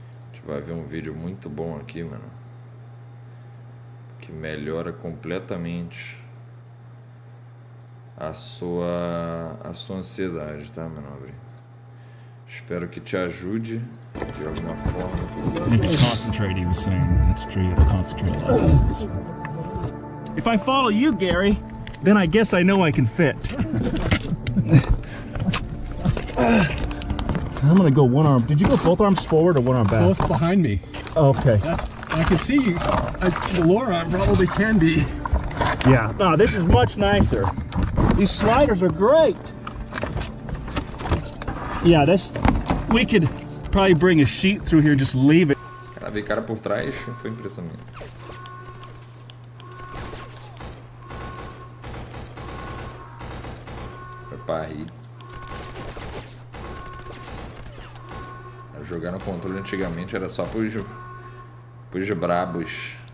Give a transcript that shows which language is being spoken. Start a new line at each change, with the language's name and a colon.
Portuguese: A gente vai ver um vídeo muito bom aqui, mano. Que melhora completamente a sua ansiedade, tá, mano? Espero que te ajude de alguma forma.
English: Concentrate, he was saying. That's true, you have to concentrate. If I follow you, Gary, then I guess I know I can fit. I'm gonna go one arm. Did you go both arms forward or one arm back? Both behind me. Okay. I can see the lower arm probably can be. Yeah. Oh, this is much nicer. These sliders are great. Yeah, this. We could probably bring a sheet through here, just leave it.
Portuguese: Cara, vi cara por trás, foi impressionante. Foi pra rir. Cara, jogar no controle antigamente era só pros brabos.